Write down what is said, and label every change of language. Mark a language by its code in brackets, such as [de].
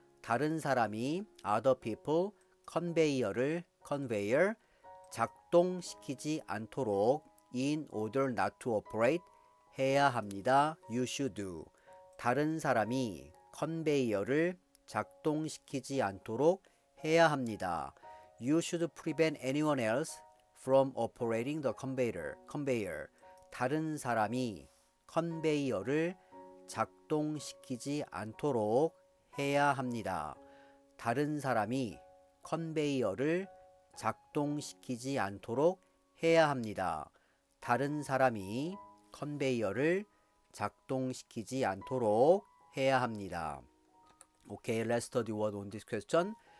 [ko] 다른 사람이 [en] other people [ko] 컨베이어를 작동시키지 않도록 [en] in order not to operate [ko] 해야 합니다. [en] You should do. [ko] 다른 사람이 컨베이어를 작동시키지 않도록 해야 합니다. [en] You should prevent anyone else from operating the conveyor. [ko] 다른 사람이 컨베이어를 작동시키지 않도록 해야 합니다. 다른 사람이 컨베이어를 작동시키지 않도록 해야 합니다. 다른 사람이 컨베이어를 작동시키지 않도록 해야 합니다. [en] Okay, let's study word on this question.